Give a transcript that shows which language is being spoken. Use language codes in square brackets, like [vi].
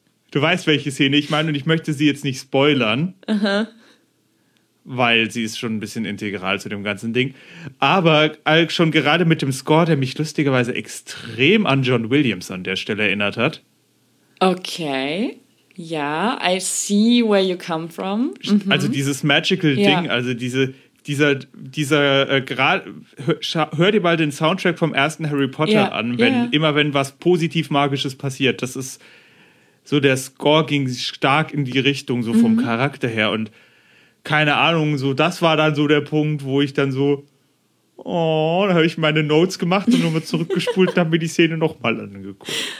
[de] du weißt, welche Szene ich meine, und ich möchte sie jetzt nicht spoilern. Weil sie ist schon ein bisschen integral zu dem ganzen Ding. Aber schon gerade mit dem Score, der mich lustigerweise extrem an John Williams an der Stelle erinnert hat. Okay. [en] Ja, I see where you come from. Mhm. [de] Also dieses magical Ding, also hör dir mal den Soundtrack vom ersten Harry Potter an, immer wenn was positiv magisches passiert. Das ist so, der Score ging stark in die Richtung, so vom Charakter her. Und keine Ahnung, so das war dann so der Punkt, wo ich dann so, da habe ich meine Notes gemacht und nochmal zurückgespult und habe mir die Szene nochmal angeguckt.